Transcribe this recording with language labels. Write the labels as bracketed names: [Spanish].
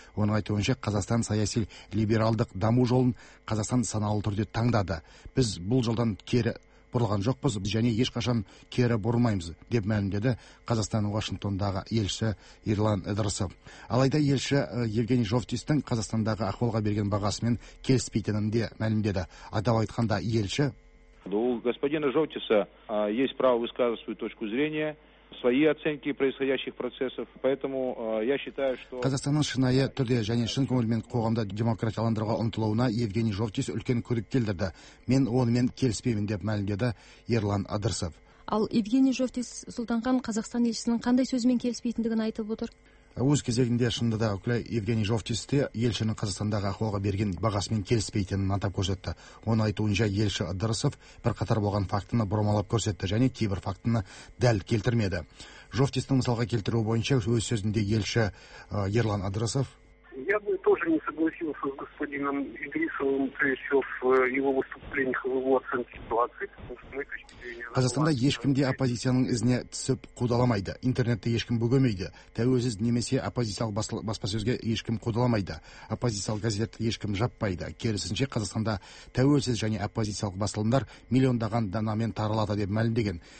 [Kazakh] Оның айтуынша, Қазақстан саяси либералдық даму жолын Қазақстан саналы түрде таңдады. Біз бұл жолдан кері бұрылған жоқпыз және ешқашан кері бұрылмаймыз, деп мәлімдеді Қазақстанның Вашингтондағы елші Ерлан Ыдырысов. Алайда елші Евгений Жовтистің Қазақстандағы ахуалға берген бағасымен келіспейтінін де мәлімдеді. Атап айтқанда, елші: [Russian] у господина Жовтиса есть право высказывать свою точку зрения, свои оценки происходящих процессов, поэтому я считаю, что [Kazakh] Қазақстанның шынайы түрде және шын көңілмен қоғамды демократияландыруға ұмтылуына Евгений Жовтис үлкен көрік келдірді. Мен онымен келіспеймін, деп мәлімдеді Ерлан Ыдырысов. Ал Евгений Жовтис Султанхан Қазақстан елшісінің қандай сөзімен келіспейтіндігін айтып отыр. Өз кезегінде шынында да Күләй, Евгений Жовтис те елшінің Қазақстандағы ахуалға берген бағасымен келіспейтінін атап көрсетті. Оның айтуынша, елші Ыдырысов бірқатар болған фактіні бұрмалап көрсетті және кейбір фактіні дәл келтірмеді. Жовтистің мысалға келтіруі бойынша өз сөзінде елші Ерлан Ыдырысов: [Russian] я бы тоже не согласился с господином Ыдырысовым, прежде всего, в его выступлениях, в его оценке ситуации. [Kazakh] Қазақстанда ешкімде оппозицияның ізіне түсіп қудаламайды, интернетте ешкім бөгемейді, тәуелсіз немесе оппозициялық баспасөзге ешкім қудаламайды, оппозициялық газетті ешкім жаппайды. Керісінше, Қазақстанда тәуелсіз және оппозициялық басылымдар миллиондаған данамен таралады, деп мәлімдеген.